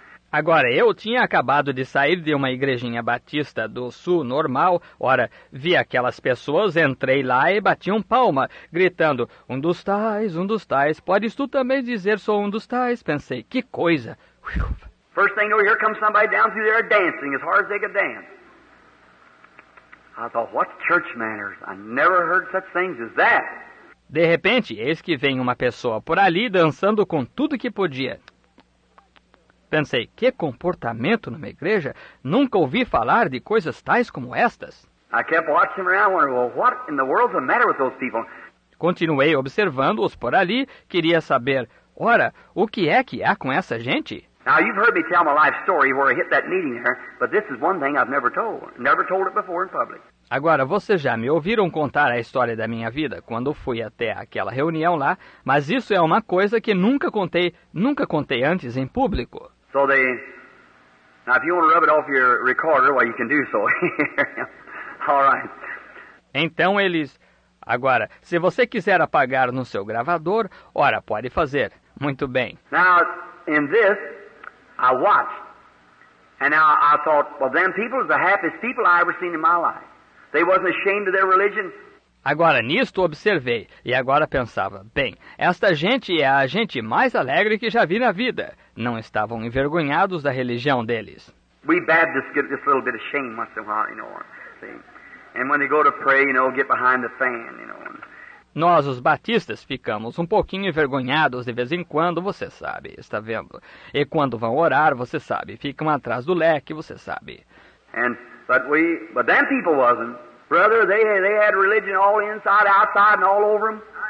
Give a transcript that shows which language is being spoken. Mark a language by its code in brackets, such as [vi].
[pt] Agora, eu tinha acabado de sair de uma igrejinha batista do sul normal, ora, vi aquelas pessoas, entrei lá e bati um palma, gritando, um dos tais, podes tu também dizer sou um dos tais? Pensei, que coisa! [en] First thing you know, here comes somebody down through there dancing, as hard as they could dance. I thought, what church manners? I never heard such things as that. [pt] De repente, eis que vem uma pessoa por ali dançando com tudo que podia. Pensei, que comportamento numa igreja? Nunca ouvi falar de coisas tais como estas. [en] I kept watching around, wondering, well, what in the world's the matter with those people? [pt] Continuei observando-os por ali, queria saber, ora, o que é que há com essa gente? [en] Now, you've heard me tell my life story where I hit that meeting there, but this is one thing I've never told it before in public. [pt] Agora, vocês já me ouviram contar a história da minha vida quando fui até aquela reunião lá, mas isso é uma coisa que nunca contei antes em público. [en] So they... Now, if you want to rub it off your recorder, well, you can do so. All right. [pt] Então eles... Agora, se você quiser apagar no seu gravador, ora, pode fazer. Muito bem. [en] Now, in this, I watched. And now I thought, well, them people are the happiest people I ever seen in my life. They wasn't ashamed of their religion. [pt] Agora, nisto observei, e agora pensava, bem, esta gente é a gente mais alegre que já vi na vida. Não estavam envergonhados da religião deles. [en] We Baptists get this little bit of shame once in a while, you know. See? And when they go to pray, you know, get behind the fan, you know. [pt] Nós, os batistas, ficamos um pouquinho envergonhados de vez em quando, você sabe, está vendo? E quando vão orar, você sabe, ficam atrás do leque, você sabe. [en] And... But them people wasn't. Brother, they had religion all inside, outside, and all over them.